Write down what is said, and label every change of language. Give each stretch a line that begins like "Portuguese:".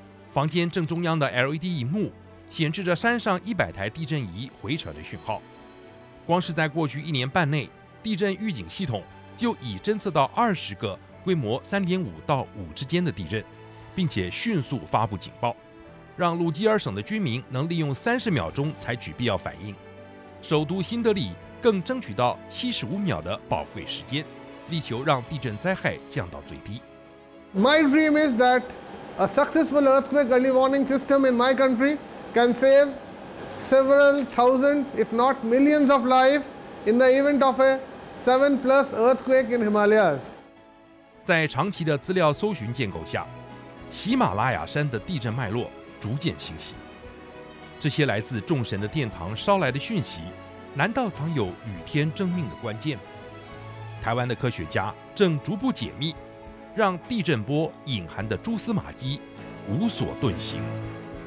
Chinese: 房间正中央的 LED 荧幕显示着山上100台地震仪回传的讯号，光是在过去1年半内，地震预警系统就已侦测到20个规模3.5到5之间的地震，并且迅速发布警报，让鲁基尔省的居民能利用30秒钟采取必要反应。首都新德里更争取到75秒的宝贵时间，力求让地震灾害降到最低。
English: My dream is that a successful earthquake early warning system in my country. Can save several thousand, if not millions, of life in the event of a 7+ earthquake in Himalayas.
Chinese: 在长期的资料搜寻建构下，喜马拉雅山的地震脉络逐渐清晰。这些来自众神的殿堂捎来的讯息，难道藏有与天争命的关键？台湾的科学家正逐步解密，让地震波隐含的蛛丝马迹无所遁形。